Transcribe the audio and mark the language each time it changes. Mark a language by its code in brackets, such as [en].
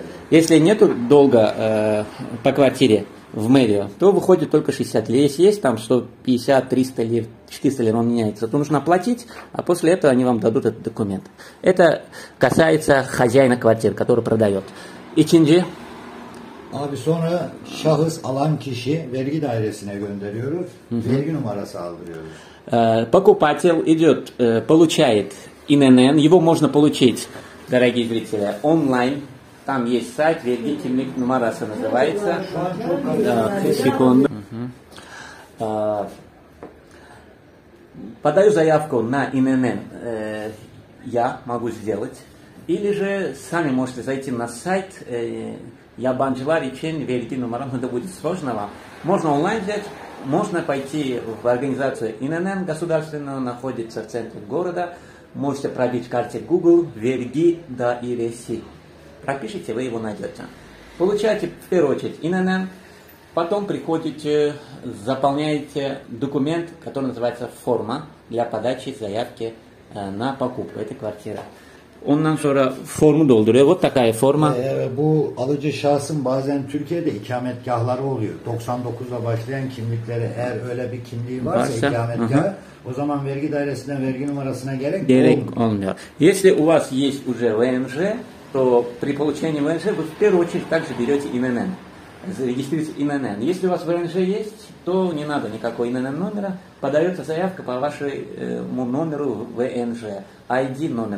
[ru] Если нету долга по квартире в мэрию, то выходит только 60 лир. Если есть там 150, 300 лир, 400 лир, он меняется, то нужно платить, а после этого они вам дадут этот документ. Это касается хозяина квартиры, который продает. [tr] İkinci. Abi sonra şahıs alan kişi vergi dairesine gönderiyoruz. Vergi numarası aldırıyoruz. [ru] Покупатель идет, получает ИНН. Его можно получить, дорогие зрители, онлайн. Там есть сайт, вергин кимлик номерасы называется. Секунду. Подаю заявку на ИНН. Я могу сделать. Или же сами можете зайти на сайт. [tr] Ябанчилар ичен вергин номерам. [ru] Это будет сложно вам. Можно онлайн взять. Можно пойти в организацию ИНН государственную. Находится в центре города. Можете пробить в карте Google верги да ИРСИ. Пропишите, вы его найдете. Получаете в первую очередь ИНН, потом приходите, заполняете документ, который называется форма для подачи заявки на покупку этой квартиры. [tr] Ondan sonra formu dolduruyor. [ru] Вот такая форма. [tr] Bu alıcı şahsın bazen Türkiye'de ikametgahları oluyor. 99'la başlayan kimlikleri eğer öyle bir kimliği varsa ikametgah, o zaman vergi dairesinden vergi numarasına gerek, gerek olmuyor. [ru] Если у вас есть уже ВНЖ, то при получении ВНЖ вы в первую очередь также берете ИНН. Зарегистрируйте ИНН. Если у вас ВНЖ есть, то не надо никакого ИНН номера. Подается заявка по вашему номеру ВНЖ. ID номер.